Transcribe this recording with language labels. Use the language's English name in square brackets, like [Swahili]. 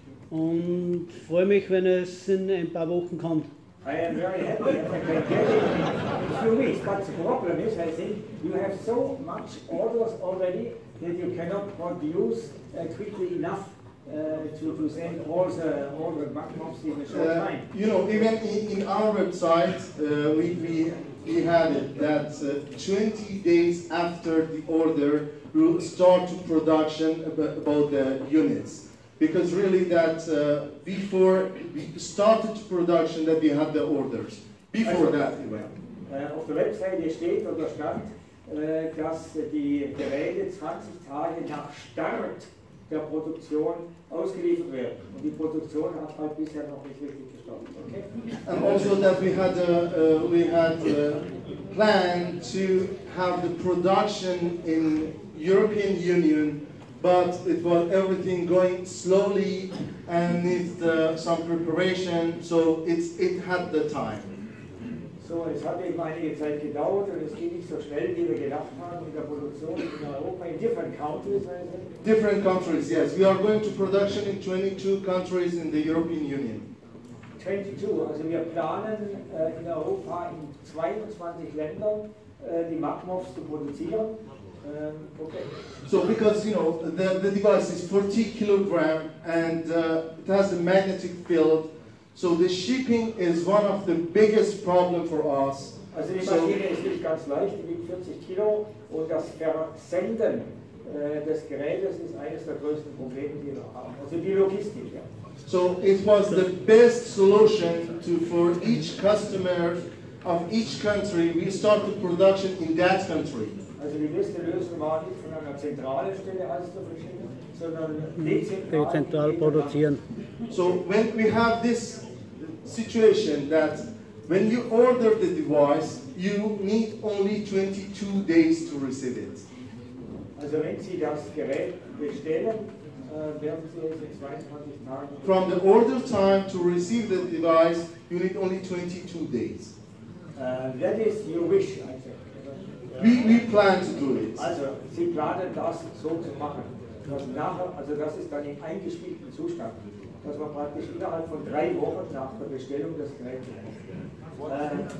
[German] Und freue mich, wenn es in ein paar Wochen kommt. [English] I am very happy if I can get it in a few weeks, but the problem is, I think, you have so much orders already that you cannot produce quickly enough to send all the Magmovs in a short time. You know, even in our website, we had it that 20 days after the order, we will start to production about the units. Because really that before we started production that we had the orders. Before that, [German] auf der Webseite steht oder stand, dass die Geräte 20 Tage nach Start der Produktion ausgeliefert werden. Und die Produktion hat halt bisher noch nicht richtig gestartet. [English] Okay? And also that we had plan to have the production in European Union, but it was everything going slowly and needs some preparation, so it had the time. [German] So, es hat eben einige Zeit gedauert und es ging nicht so schnell, wie wir gedacht haben, in der Produktion in Europa, [English] in different countries. [German] Also. [English] Different countries, yes. We are going to production in 22 countries in the European Union. [German] 22, also wir planen in Europa in 22 Ländern die Magmovs zu produzieren. Okay. [English] So, because you know the device is 40 kilogram and it has a magnetic field, so the shipping is one of the biggest problem for us. [German] Also, die Maschine ist nicht ganz leicht, die wiegt 40 Kilo und das Versenden des Gerätes ist eines der größten Probleme, die wir haben. Also die Logistik. Ja. [English] So it was the best solution to for each customer of each country. We started production in that country. [German] Also die beste Lösung war nicht von einer zentralen Stelle alles zu verschicken, sondern dezentral produzieren. [English] So when we have this situation that when you order the device, you need only 22 days to receive it. [German] Also wenn Sie das Gerät bestellen, werden Sie es in 22 Tagen. [English] From the order time to receive the device, you need only 22 days. That is your wish, I think. We plan to do it. [German] Also, Sie planen das so zu machen, dass nachher, also das ist dann im eingespielten Zustand, dass man praktisch innerhalb von 3 Wochen nach der Bestellung das Gerät hat.